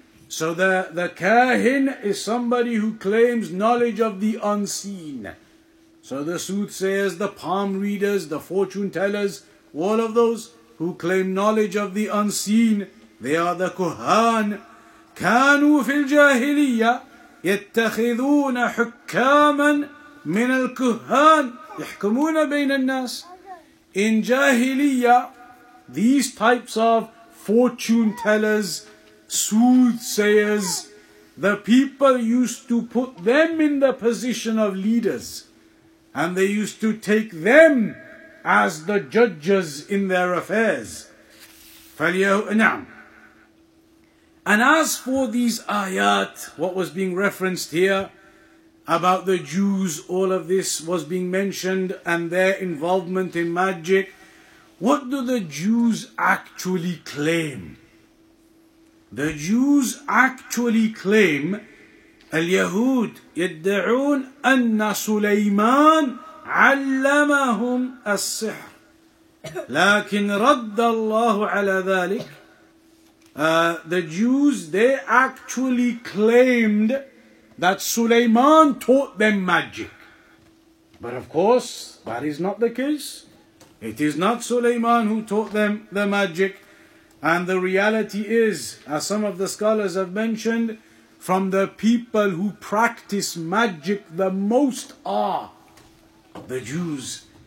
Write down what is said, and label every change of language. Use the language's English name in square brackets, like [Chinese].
[English] So the kahin is somebody who claims knowledge of the unseen. So the soothsayers, the palm readers, the fortune tellers, all of those who claim knowledge of the unseen, they are the kuhan. [Arabic] كانوا في الجاهلية يتخذون حكاما من الكهان يحكمون بين الناس. [English] In jahiliya, these types of fortune tellers, soothsayers, the people used to put them in the position of leaders, and they used to take them as the judges in their affairs. And as for these ayat, what was being referenced here about the Jews, all of this was being mentioned and their involvement in magic. What do the Jews actually claim? The Jews actually claim, [Arabic] اليهود يدعون أن سليمان علمهم السحر لكن رد الله على ذلك. [English] The Jews, they actually claimed that Sulaiman taught them magic. But of course, that is not the case. It is not Sulaiman who taught them the magic. And the reality is, as some of the scholars have mentioned, from the people who practice magic the most are the Jews.